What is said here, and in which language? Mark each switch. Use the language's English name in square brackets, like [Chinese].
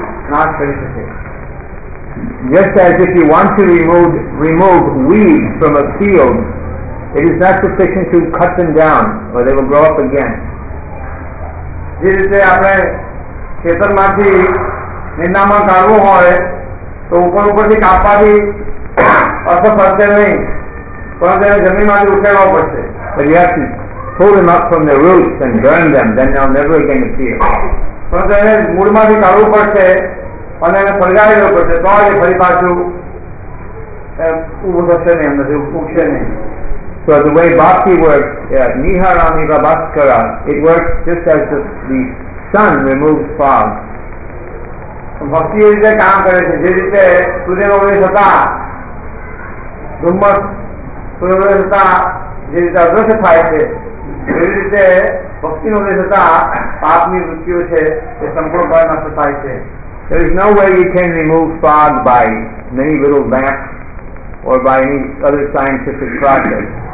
[English] Just as if you want to remove weeds from a field, it is not sufficient to cut them down or they will grow up again. [Gujarati] જે રીતે આપણે ખેતર માંથી નિંદામણ કાઢવું હોય તો ઉપર ઉપરથી કાપવાથી અસર પડશે નહીં, પણ તેને જમીનમાંથી ઉકેળવો પડશે. [English] But you have to pull them up from their roots and burn them, then they'll never again appear. [Gujarati] પણ તેને મૂળમાંથી કાઢવું પડશે અને એને ફરગાવી દેવું પડશે તો એ ફરી પાછું ઉભું થશે નહીં, એમ નથી ઉગશે નહીં. [English] So the way bhakti works, niharami va bhaskara, it works just as the sun removes fog. [Gujarati] ભક્તિ એ રીતે કામ કરે છે જે રીતે સૂર્યોદય થતા ધુમ્મસ સૂર્યોદય થતા જે રીતે અદ્રશ્ય થાય છે એ રીતે ભક્તિનો ઉદય થતા પાપની વૃત્તિઓ છે એ સંપૂર્ણપણે નાશ થાય છે. [English] There is no way you can remove fog by many little vats or by any other scientific process.